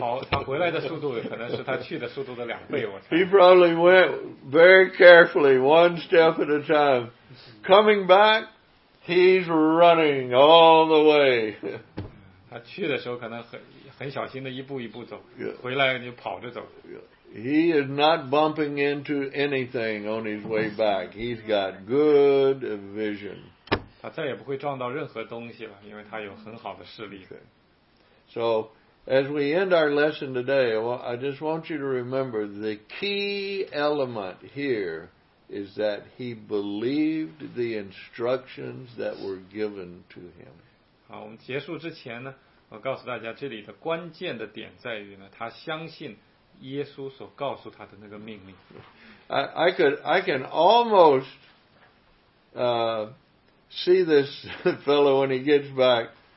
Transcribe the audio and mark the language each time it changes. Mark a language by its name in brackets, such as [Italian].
[Chinese] 他回来的速度可能是他去的速度的两倍，我猜。 [English] He probably went very carefully, one step at a time. Coming back, he's running all the way. [Chinese] 他去的时候可能很小心的一步一步走，回来就跑着走。 [English] He is not bumping into anything on his way back. He's got good vision. [Chinese] 他再也不会撞到任何东西了，因为他有很好的视力。 [English] Okay. So, as we end our lesson today, well, I just want you to remember the key element here is that he believed the instructions that were given to him. [Chinese] 好，我们结束之前呢，我告诉大家这里的关键的点在于呢，他相信耶稣所告诉他的那个命令。 [English] I can almost see this fellow when he gets back.